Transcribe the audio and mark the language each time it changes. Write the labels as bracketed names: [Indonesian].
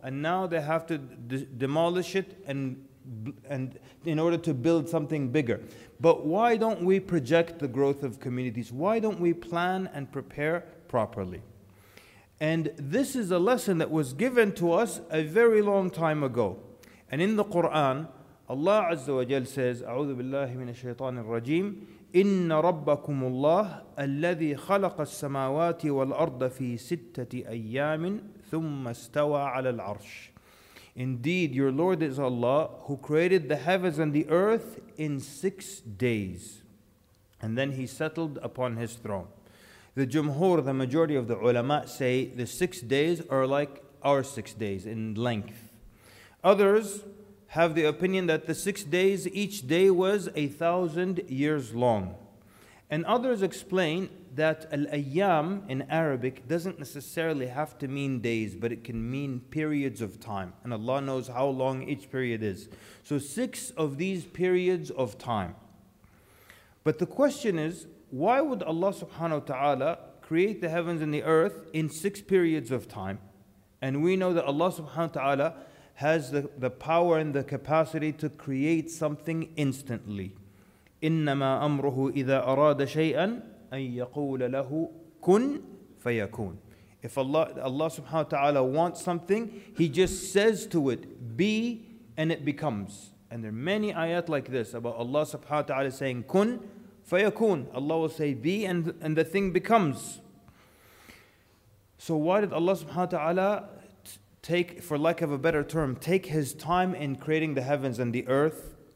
[English] And now they have to demolish it and in order to build something bigger. But why don't we project the growth of communities? Why don't we plan and prepare properly? And this is a lesson that was given to us a very long time ago. And in the Quran, Allah Azza wa Jal says, [Arabic] أعوذ بالله من الشيطان الرجيم إِنَّ رَبَّكُمُ اللَّهِ الَّذِي خَلَقَ السَّمَاوَاتِ وَالْأَرْضَ فِي سِتَّةِ أَيَّامٍ ثُمَّ اسْتَوَى عَلَى الْعَرْشِ. [English] Indeed, your Lord is Allah who created the heavens and the earth in 6 days. And then he settled upon his throne. The Jumhur, the majority of the ulama, say the 6 days are like our 6 days in length. Others have the opinion that the 6 days, each day was 1,000 years long. And others explain that al-ayyam in Arabic doesn't necessarily have to mean days, but it can mean periods of time. And Allah knows how long each period is. So six of these periods of time. But the question is, why would Allah subhanahu wa ta'ala create the heavens and the earth in six periods of time? And we know that Allah subhanahu wa ta'ala has the power and the capacity to create something instantly. [Arabic] إِنَّمَا أَمْرُهُ إِذَا أَرَادَ شَيْئًا أَن يَقُولَ لَهُ كُنْ فَيَكُونَ. [English] If Allah subhanahu wa ta'ala wants something, He just says to it, be, and it becomes. And there are many ayat like this about Allah subhanahu wa ta'ala saying, [Arabic] كُنْ فَيَكُونَ. [English] Allah will say, be, and the thing becomes. So why did Allah subhanahu wa ta'ala take, for lack of a better term, take His time in creating the heavens and the earth?